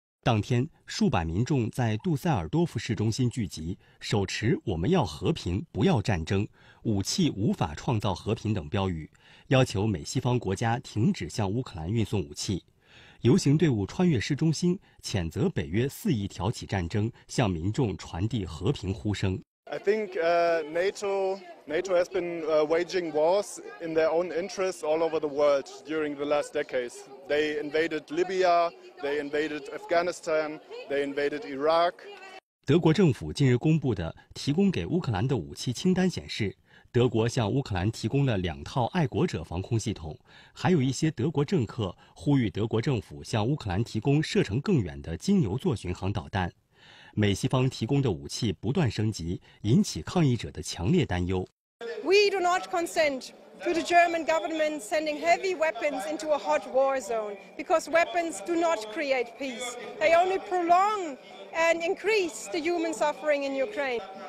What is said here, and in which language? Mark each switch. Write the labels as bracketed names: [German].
[Chinese] 当天，数百民众在杜塞尔多夫市中心聚集，手持我们要和平，不要战争，武器无法创造和平等标语，要求美西方国家停止向乌克兰运送武器。游行队伍穿越市中心，谴责北约肆意挑起战争，向民众传递和平呼声。 [English] I think, NATO has been, waging wars in their own interests all over the world during the last decades. They invaded Libya, they invaded Afghanistan, they invaded Iraq. [Chinese] 德国政府近日公布的提供给乌克兰的武器清单显示，德国向乌克兰提供了两套爱国者防空系统，还有一些德国政客呼吁德国政府向乌克兰提供射程更远的金牛座巡航导弹。美西方提供的武器不断升级，引起抗议者的强烈担忧。 [English] We do not consent to the German government sending heavy weapons into a hot war zone because weapons do not create peace. They only prolong and increase the human suffering in Ukraine.